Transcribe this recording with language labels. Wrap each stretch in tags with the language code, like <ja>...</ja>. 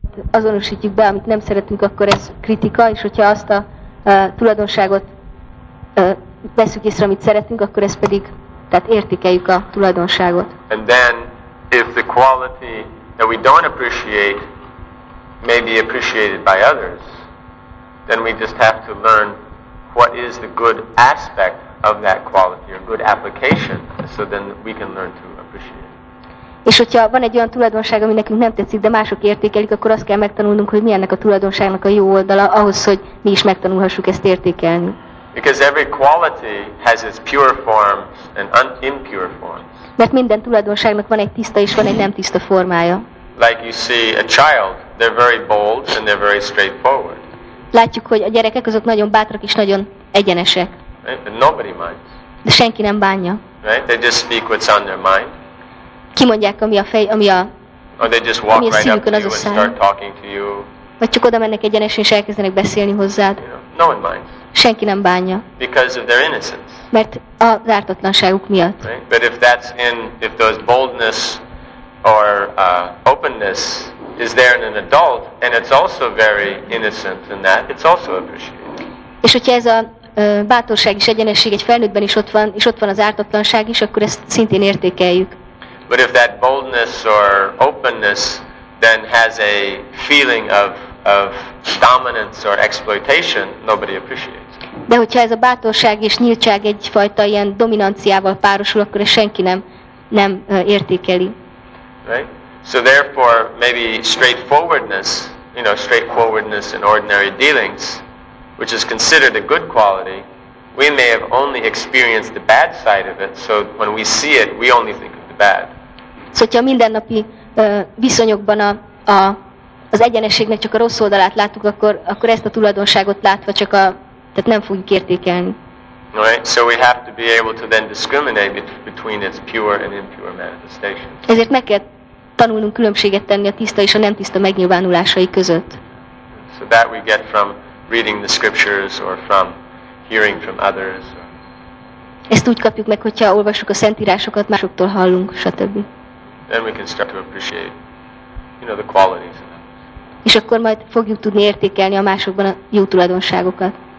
<hu>Azonosítjuk be, amit nem szeretünk, akkor ez kritika, és hogyha azt a tulajdonságot veszük észre, amit szeretünk, akkor ez pedig, tehát értékeljük a tulajdonságot.</hu> <en>And then, if the quality that we don't appreciate may be appreciated by others, then we just have to learn what is the good aspect of that quality, or good application, so then we can learn to appreciate.</en> <hu>És hogyha van egy olyan tulajdonság, ami nekünk nem tetszik, de mások értékelik, akkor azt kell megtanulnunk, hogy mi ennek a tulajdonságnak a jó oldala, ahhoz, hogy mi is megtanulhassuk ezt értékelni.</hu> <en>Because every quality has its pure forms and impure forms.</en> <hu>Mert minden tulajdonságnak van egy tiszta és van egy nem tiszta formája.</hu> <en>Like you see a child, they're very bold and they're very straightforward.</en> <hu>Látjuk, hogy a gyerekek azok nagyon bátrak és nagyon egyenesek.</hu> <en>Right? Nobody minds.</en> <hu>De senki nem bánja.</hu> <en>Right? They just speak what's on their mind.</en> <hu>Kimondják, ami a fej, ami a.</hu> <en>Or they just walk right up to you and start talking to you.</en> <hu>Vagy csak oda mennek egyenesen, és elkezdenek beszélni hozzád.</hu> <en>You know, no one minds.</en> <hu>Senki nem bánja.</hu> <en>Because of their innocence.</en> <hu>Mert a ártatlanságuk miatt.</hu> <en>Right? But if that's in, if those boldness or openness is there in an adult, and it's also very innocent in that, it's also appreciated.</en> <hu>És hogyha ez a bátorság és egyenesség egy felnőttben is ott van, és ott van az ártatlanság is, akkor ezt szintén értékeljük.</hu> <en>But if that boldness or openness then has a feeling of dominance or exploitation, nobody appreciates.</en> <hu>De hogyha ez a bátorság és nyíltság egyfajta ilyen dominanciával párosul, akkor ezt senki nem értékeli.</hu> <en>Right? So therefore, maybe straightforwardness, you know, straightforwardness in ordinary dealings, which is considered a good quality, we may have only experienced the bad side of it, so when we see it, we only think of the bad.</en> <hu>Szóval, hogyha a mindennapi viszonyokban az egyenességnek csak a rossz oldalát látjuk, akkor ezt a tulajdonságot látva csak tehát nem fogjuk értékelni.</hu> <en>Right? So we have to be able to then discriminate between its pure and impure manifestations.</en> <hu>Ezért meg kell tanulnunk különbséget tenni a tiszta és a nem tiszta megnyilvánulásai között.</hu> <en>So that we get from reading the scriptures or from hearing from others.</en> <hu>Ezt úgy kapjuk meg, hogyha olvassuk a szentírásokat, másoktól hallunk, stb.</hu> <en>Then we can start to appreciate, you know, the qualities of them.</en> <hu>És akkor majd fogjuk tudni értékelni a másokban a jó tulajdonságokat.</hu>